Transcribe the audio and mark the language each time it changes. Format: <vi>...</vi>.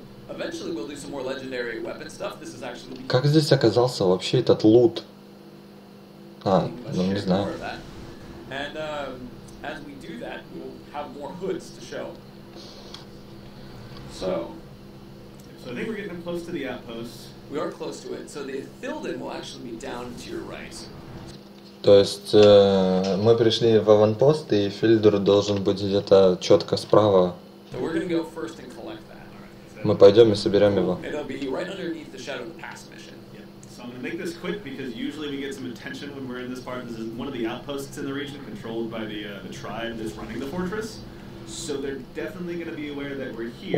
<en>Eventually we'll do some more legendary weapon stuff. This is actually the...</en> <ru>Как здесь оказался вообще этот лут? А, ну не знаю.</ru> <en>And as we do that, we'll have more hoods to show. So, I think we're getting close to the outpost. We are close to it. So the Ithilden will actually be down to your right.</en> <ru>То есть мы пришли в аванпост, и Ithilden должен быть где-то четко справа.</ru> <en>So we're gonna go first and collect.</en> <ru>Мы пойдем и соберем его.</ru> <en>It'll be right underneath the shadow of the past mission. Yeah. So I'm gonna make this quick because usually we get some attention when we're in this part. This is one of the outposts in the region controlled by the tribe that's running the fortress. So they're definitely gonna be aware that we're here.</en>